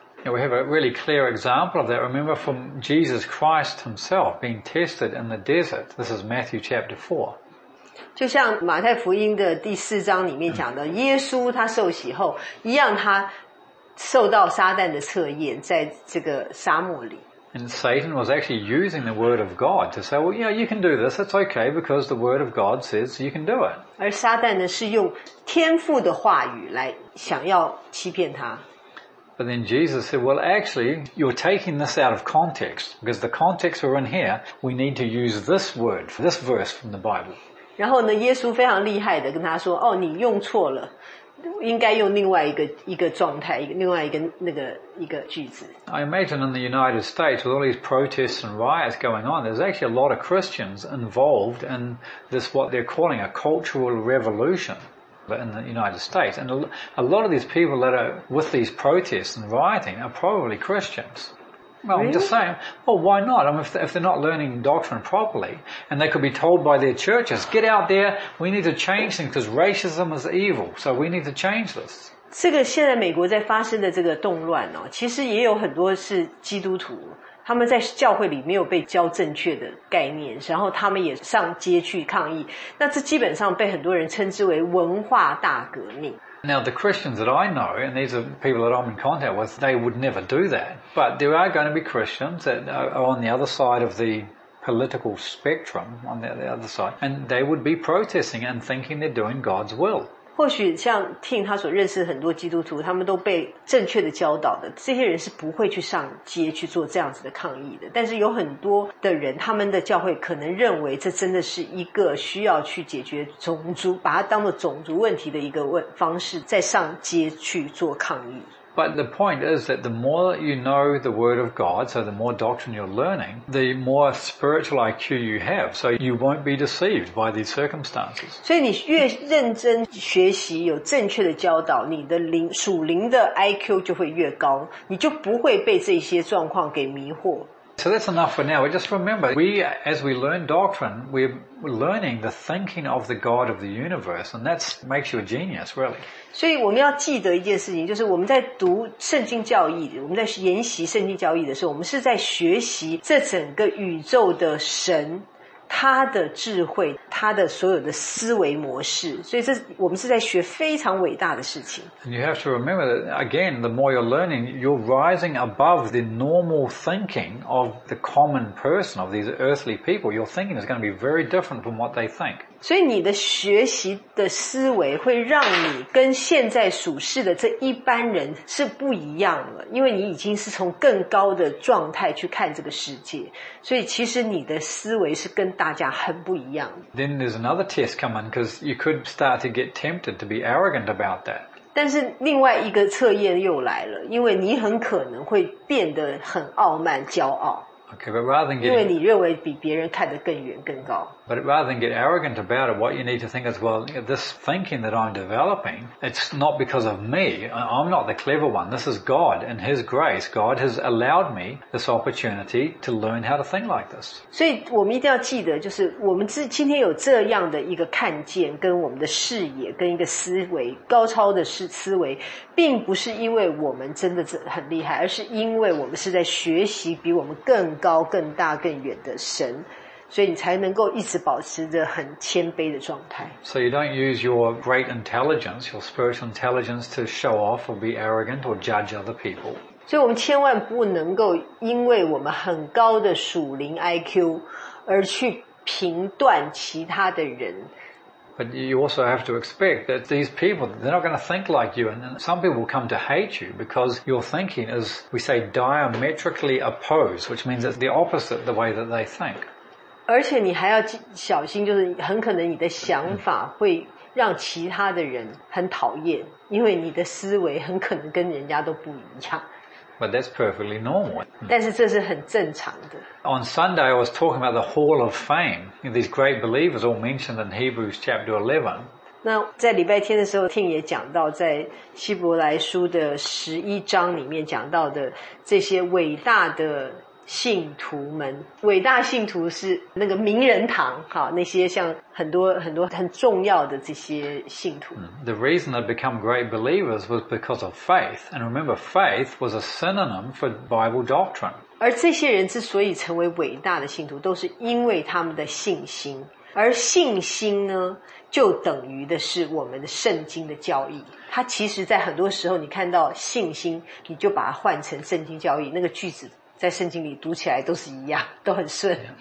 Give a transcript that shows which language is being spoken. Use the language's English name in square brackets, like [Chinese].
[English] We have a really clear example of that. Remember from Jesus Christ himself being tested in the desert. This is Matthew chapter 4. [Chinese] 就像马太福音的第四章里面讲的，耶稣他受洗后，一样他受到撒旦的测验，在这个沙漠里。 [English] And Satan was actually using the word of God to say, well, you know, you can do this. It's okay because the word of God says you can do it. [Chinese] 而撒旦呢，是用天父的话语来想要欺骗他。 [English] But then Jesus said, well, actually, you're taking this out of context, because the context we're in here, we need to use this word, this verse from the Bible. [Chinese] 然后呢，耶稣非常厉害的跟他说，哦，你用错了。应该用另外一个状态，另外一个那个一个句子。 [English] I imagine in the United States with all these protests and riots going on, there's actually a lot of Christians involved in this what they're calling a cultural revolution in the United States. And a lot of these people that are with these protests and rioting are probably Christians. Well, really? I'm just saying, well, why not? I mean, if they're not learning doctrine properly, and they could be told by their churches, get out there, we need to change things because racism is evil, so we need to change this. [Chinese] 这个现在美国在发生的这个动乱哦，其实也有很多是基督徒，他们在教会里没有被教正确的概念，然后他们也上街去抗议，那这基本上被很多人称之为文化大革命。 [English] Now, the Christians that I know, and these are people that I'm in contact with, they would never do that. But there are going to be Christians that are on the other side of the political spectrum, on the other side, and they would be protesting and thinking they're doing God's will. [Chinese] 或许像 Tim 他所认识很多基督徒，他们都被正确的教导的，这些人是不会去上街去做这样子的抗议的。但是有很多的人，他们的教会可能认为这真的是一个需要去解决种族，把它当作种族问题的一个方式，在上街去做抗议。 [English] But the point is that the more you know the Word of God, so the more doctrine you're learning, the more spiritual IQ you have, so you won't be deceived by these circumstances. [Chinese] 所以你越认真学习，有正确的教导，你的灵属灵的 IQ 就会越高，你就不会被这些状况给迷惑。 [English] So that's enough for now. But just remember, as we learn doctrine, we're learning the thinking of the God of the universe, and that makes you a genius, really. [Chinese] 所以我们要记得一件事情，就是我们在读圣经教义，我们在研习圣经教义的时候，我们是在学习这整个宇宙的神，他的智慧，他的所有的思维模式。所以这我们是在学非常伟大的事情。 [English] And you have to remember that, again, the more you're learning, you're rising above the normal thinking of the common person, of these earthly people. Your thinking is going to be very different from what they think. [Chinese] 所以你的学习的思维会让你跟现在属世的这一般人是不一样的，因为你已经是从更高的状态去看这个世界，所以其实你的思维是跟大家很不一样的。 [English] Then there's another test coming because you could start to get tempted to be arrogant about that. [Chinese] 但是另外一个测验又来了，因为你很可能会变得很傲慢、骄傲。 [English] Okay, but rather than get, [Chinese] 因为你认为比别人看得更远、更高。 [English] But rather than get arrogant about it, what you need to think is, well, this thinking that I'm developing, it's not because of me. I'm not the clever one. This is God and His grace. God has allowed me this opportunity to learn how to think like this. [Chinese] 所以我们一定要记得，就是我们今天有这样的一个看见，跟我们的视野，跟一个思维高超的思维，并不是因为我们真的很厉害，而是因为我们是在学习比我们更高、更大、更远的神。所以你才能够一直保持着很谦卑的状态。 [English] So you don't use your great intelligence, your spiritual intelligence to show off or be arrogant or judge other people. [Chinese] 所以我们千万不能够因为我们很高的属灵 IQ 而去评断其他的人。 [English] But you also have to expect that these people, they're not going to think like you, and some people will come to hate you because your thinking is, we say, diametrically opposed, which means it's the opposite the way that they think. [Chinese] 而且你还要小心，就是很可能你的想法会让其他的人很讨厌，因为你的思维很可能跟人家都不一样。 [English] But that's perfectly normal. [Chinese] 但是这是很正常的。 [English] On Sunday, I was talking about the Hall of Fame. These great believers all mentioned in Hebrews chapter 11. [Chinese] 那在礼拜天的时候 ，Tim 也讲到，在希伯来书的十一章里面讲到的这些伟大的。信徒们，伟大信徒是那个名人堂，好，那些像很多很多很重要的这些信徒。 [English] The reason they become great believers was because of faith, and remember, faith was a synonym for Bible doctrine. [Chinese] 而这些人之所以成为伟大的信徒，都是因为他们的信心，而信心呢，就等于的是我们的圣经的教义。它其实，在很多时候，你看到信心，你就把它换成圣经教义那个句子。在圣经里读起来都是一样，都很顺。